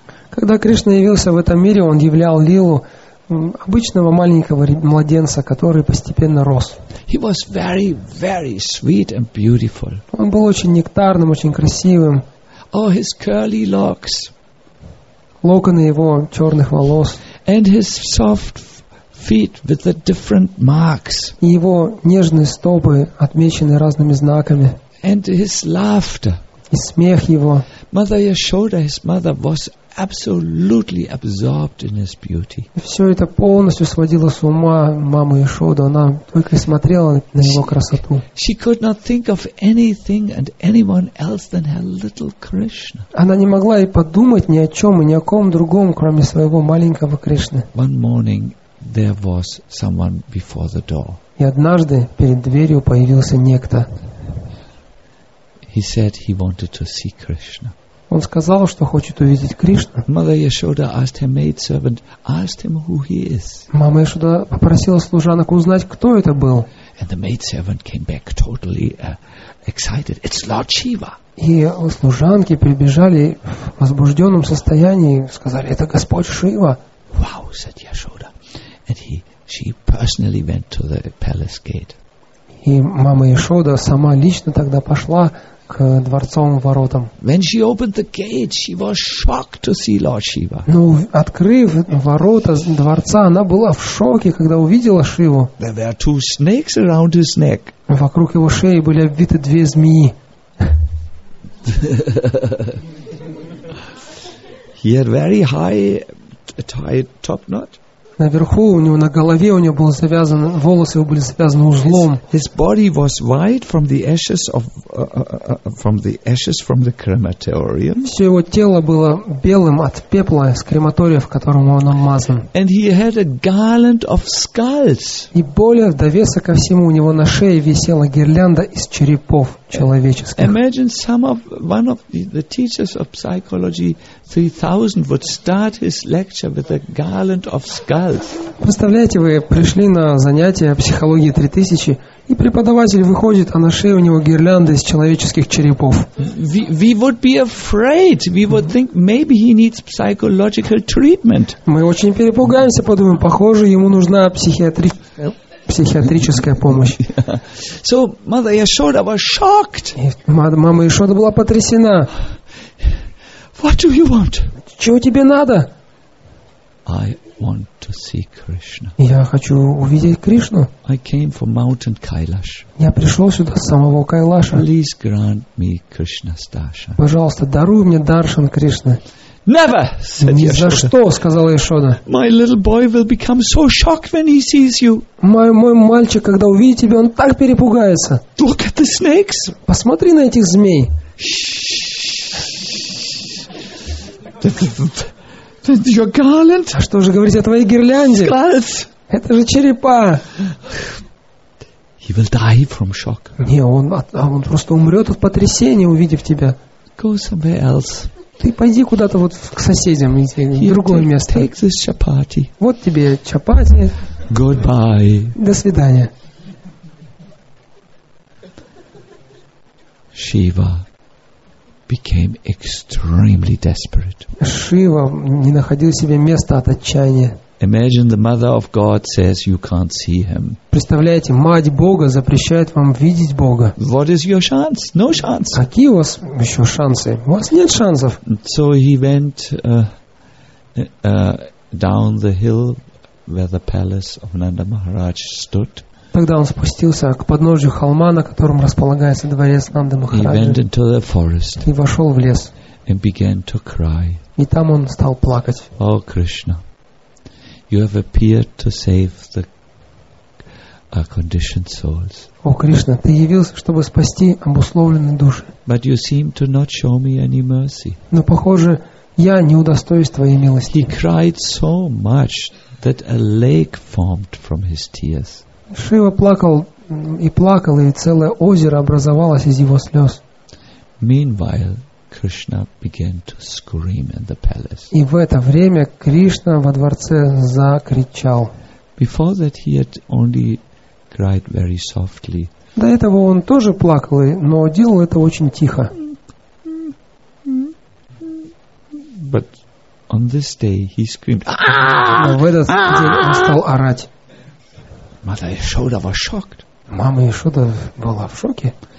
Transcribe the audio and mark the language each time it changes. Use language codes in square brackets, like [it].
[ru] Когда Кришна явился в этом мире, он являл лилу обычного маленького младенца, который постепенно рос. [en] He was very, very sweet and beautiful. [ru] Он был очень нектарным, очень красивым. [en] Oh, his curly locks. [ru] Локоны его черных волос. [en] And his soft feet with the different marks. [ru] И его нежные стопы, отмеченные разными знаками. [en] And his laughter. [ru] И смех его. [en] Mother Yashoda, his mother, was absolutely absorbed in his beauty. [ru] Все это полностью сводило с ума маму Яшоду. Она только и смотрела на его красоту. [en] She could not think of anything and anyone else than her little Krishna. [ru] Она не могла и подумать ни о чем и ни о ком другом, кроме своего маленького Кришны. [en] One morning there was someone before the door. [ru] И однажды перед дверью появился некто. [en] He said he wanted to see Krishna. [ru] Он сказал, что хочет увидеть Кришну. [en] Mother Yashoda asked her maid servant, asked him who he is. [ru] Мама Яшода попросила служанок узнать, кто это был. [en] And the maid servant came back totally excited. It's Lord Shiva. [ru] И служанки прибежали в возбужденном состоянии и сказали: это Господь Шива. [en] Wow, said Yashoda, and she personally went to the palace gate. [ru] И мама Яшода сама лично тогда пошла к дворцовым воротам. [en] When she opened the gate, she was shocked to see Lord Shiva. [ru] Ну, открыв ворота дворца, она была в шоке, когда увидела Шиву. [en] There were two snakes around his neck. [ru] Вокруг его шеи были обвиты две змеи. [en] He had very high tied top knot. [ru] Наверху у него на голове у него был завязан волосы его были связаны узлом. [en] His body was white from the ashes of from the ashes from the crematorium. [ru] Все его тело было белым от пепла с крематория, в котором он обмазан. [en] And he had a garland of skulls. [ru] И более вдовесок ко всему у него на шее висела гирлянда из черепов человеческих. [en] Imagine one of the teachers of psychology 3000 would start his lecture with a garland of skulls. [ru] Представляете, вы пришли на занятие психологии 3000, и преподаватель выходит, а на шее у него гирлянда из человеческих черепов. [en] We would be afraid. We would think maybe he needs psychological treatment. [ru] Мы очень перепугаемся, подумаем, похоже, ему нужна психиатрическая помощь. [en] So Mother Yashoda was shocked. [ru] Мама Яшода была потрясена. [en] What do you want? [ru] Чего тебе надо? [en] I want to see Krishna. [ru] Я хочу увидеть Кришну. [en] I came from mountain Kailash. [ru] Я пришел сюда с самого Кайлаша. [en] Please grant me Krishna's darshan. [ru] Пожалуйста, даруй мне даршан Кришны. [en] Never, said [ru] Яшода. Ни за что, сказала Яшода. [en] My little boy will become so shocked when he sees you. [ru] Мой мальчик, когда увидит тебя, он так перепугается. [en] Look at the snakes. [ru] Посмотри на этих змей. [en] Your garland? [ru] А что же говорить о твоей гирлянде? [en] Skulls. [ru] Это же черепа. [en] He will die from shock. [ru] Не, он просто умрет от потрясения, увидев тебя. [en] Go somewhere else. [ru] Ты пойди куда-то вот к соседям, в другое место. [en] Take this chapati. [ru] Вот тебе чапати. [en] Goodbye. [ru] До свидания. [en] Shiva became extremely desperate. [ru] Шива не находил себе места от отчаяния. [en] Imagine the mother of God says you can't see him. [ru] Представляете, мать Бога запрещает вам видеть Бога. [en] What is your chance? No chance. [ru] Какие у вас еще шансы? У вас нет шансов. [en] So he went down the hill where the palace of Nanda Maharaj stood. [ru] Тогда он спустился к подножию холма, на котором располагается дворец Нанды Махараджи, и вошел в лес. [en] And began to cry. [ru] И там он стал плакать. [en] О, Кришна, you have appeared to save the conditioned souls. [ru] О, Кришна, ты явился, чтобы спасти обусловленные души. [en] But you seem to not show me any mercy. [ru] Но, похоже, я не удостоюсь твоей милости. [en] He cried so much that a lake formed from his tears. [ru] Шива плакал и плакал, и целое озеро образовалось из его слез. [en] Meanwhile, Krishna began to scream in the palace. [ru] И в это время Кришна во дворце закричал. [en] Before that, he had only cried very softly. [ru] До этого он тоже плакал, но делал это очень тихо. [en] But on this day he screamed. [ru] Но в этот день он стал орать. [en] Mother Yashoda was shocked. [ru] Мама Яшода была в шоке.